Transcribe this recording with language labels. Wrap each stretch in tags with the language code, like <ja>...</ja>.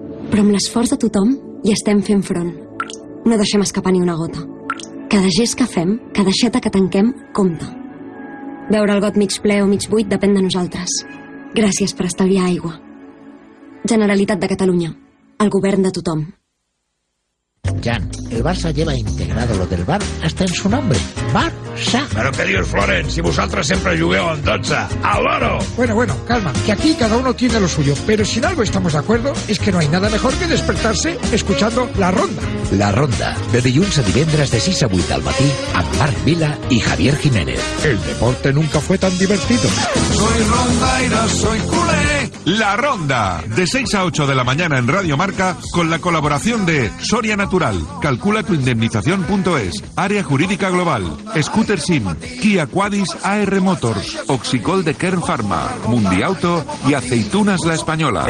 <ca>Però amb l'esforç de tothom hi estem fent front. No deixem escapar ni una gota. Cada gest que fem, cada aixeta que tanquem, compta. Veure el got mig ple o mig buit depèn de nosaltres. Gràcies per estalviar aigua. Generalitat de Catalunya. El govern de tothom.</ca> <es>Jan, el Barça lleva integrado lo del bar hasta en su nombre. Barça.</es> <ca>Però què dius, Florent, si vosaltres sempre jugueu en 12. Al loro.</ca> <es>Bueno, bueno, calma, que aquí cada uno tiene lo suyo. Pero si en algo estamos de acuerdo es que no hay nada mejor que despertarse escuchando La Ronda.</es> <ca>La Ronda, de dilluns a divendres de 6 a 8 del matí, amb Marc Vila i Javier Jiménez.</ca> <es>El deporte nunca fue tan divertido. Soy Ronda y no soy culé. La Ronda, de 6 a 8 de la mañana en Radio Marca, con la colaboración de Soria Natural, calculatuindemnización.es, Área Jurídica Global, Scooter Sim, Kia Quadis AR Motors, Oxicol de Kern Pharma, Mundiauto y Aceitunas La Española.</es>